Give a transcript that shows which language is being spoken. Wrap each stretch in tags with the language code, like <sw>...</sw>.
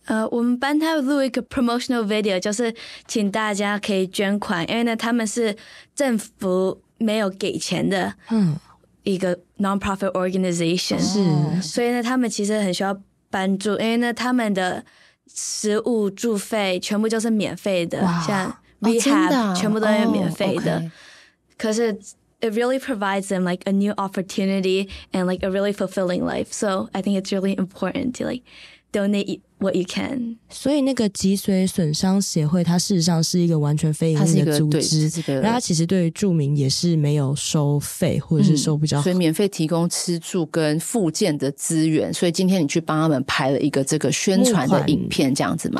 <zh>我们班他录一个</zh> <en>promotional video，</en> <zh>就是请大家可以捐款，因为呢他们是政府没有给钱的一个</zh> <en>non-profit organization，</en> <zh>是，所以呢他们其实很需要帮助，因为呢他们的食物住费全部就是免费的，像 rehab、全部都是免费的。可是</zh> <en>it really provides them like a new opportunity and like a really fulfilling life， so I think it's really important to like donate what you can。</en> <zh>所以那个脊髓损伤协会它事实上是一个完全非盈利的组织，它其实对于住民也是没有收费或者是收比较所以免费提供吃住跟复健的资源。所以今天你去帮他们拍了一个这个宣传的影片这样子吗？</zh>